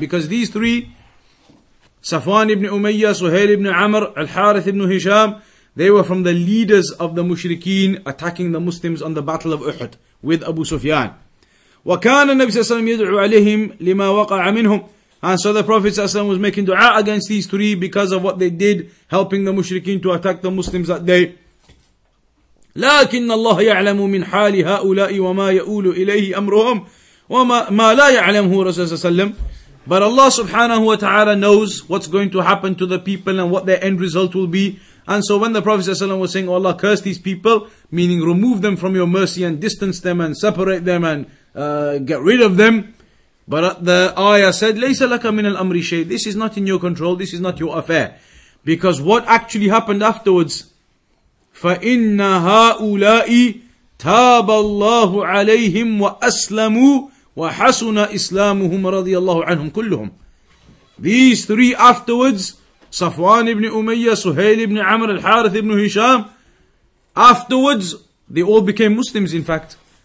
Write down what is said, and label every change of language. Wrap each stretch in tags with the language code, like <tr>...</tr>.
<en>Because these three, Safwan ibn Umayyah, Suhail ibn Amr, Al-Harith ibn Hisham, they were from the leaders of the mushrikeen attacking the Muslims on the Battle of Uhud with Abu Sufyan.</en> <ar>وَكَانَ النَّبِي صَلَّى اللَّهُ عَلَيْهِ وَسَلَّمَ يَدْعُو عَلَيْهِمْ لِمَا وَقَعَ مِنْهُمْ.</ar> <en>And so the Prophet ﷺ was making dua against these three because of what they did, helping the mushrikeen to attack the Muslims that day.</en> <ar>لكن الله يعلم من حال هؤلاء وما يؤول إليه أمرهم وما ما لا يعلمه رسول الله صلى الله عليه وسلم.</ar> <en>But Allah subhanahu wa ta'ala knows what's going to happen to the people and what their end result will be. And so when the Prophet صلى الله عليه وسلم was saying, oh Allah, curse these people, meaning remove them from your mercy and distance them and separate them and get rid of them. But the ayah said,</en> <ar>ليس لك من الأمر شيء.</ar> <en>This is not in your control, this is not your affair. Because what actually happened afterwards,</en> <ar>فَإِنَّ هَؤُلَاءِ تَابَ اللَّهُ عَلَيْهِمْ وَأَسْلَمُوا وَحَسُنَ إِسْلَامُهُمْ رَضِيَ اللَّهُ عَنْهُمْ كُلُّهُمْ.</ar> <en>These three afterwards, Safwan ibn Umayyah, Suhail ibn Amr, al-Harith ibn Hisham, afterwards, they all became Muslims in fact.</en>